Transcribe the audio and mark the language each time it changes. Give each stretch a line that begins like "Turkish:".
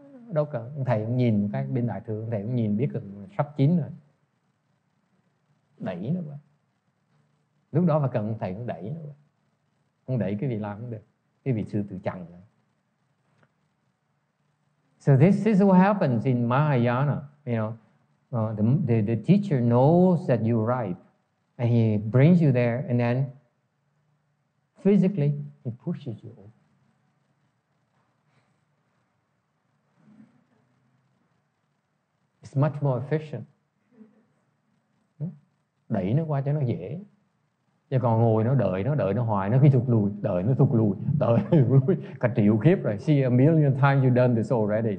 Vietnamese: Đâu cả, thầy cũng nhìn cái bên đại thừa, thầy cũng nhìn biết được sắp chín rồi. Đẩy nó vào. Lúc đó mà cần thầy cũng đẩy nó vào. Không đẩy cái gì làm cũng được. Cái vị sư tự chặn rồi.
English: So this is what happens in Mahayana, you know. The teacher knows that you're ripe and he brings you there and then physically he pushes you over. It's much more efficient.
Vietnamese: Đẩy nó qua cho nó dễ. Chứ còn ngồi nó đợi hoài, nó cứ thụt lùi, đợi nó thụt lùi, đợi lùi, cả triệu kiếp rồi.
English: See a million times you've done this already.